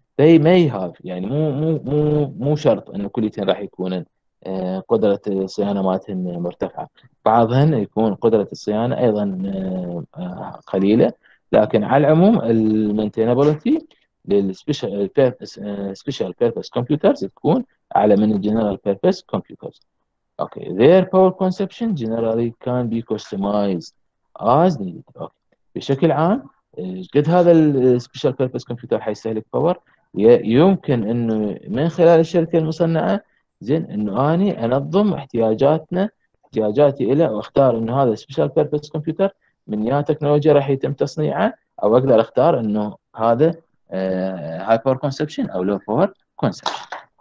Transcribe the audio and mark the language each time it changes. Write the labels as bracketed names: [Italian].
[English] they may have [Arabic] يعني مو مو مو مو شرط انه كليتين راح يكون قدرة الصيانة مالتهم مرتفعة، بعضهن يكون قدرة الصيانة ايضا قليلة، لكن على العموم ال maintainability لل special purpose computers تكون اعلى من ال general purpose computers. [English] Okay, their power consumption generally can be customized as needed. Okay. [Arabic] بشكل عام قد هذا الـ special purpose computer حيستهلك باور، يمكن انه من خلال الشركة المصنعة زين انه اني انظم احتياجاتي الى واختار انه هذا special purpose computer من يا تكنولوجيا راح يتم تصنيعه، او اقدر اختار انه هذا high power consumption او low power consumption.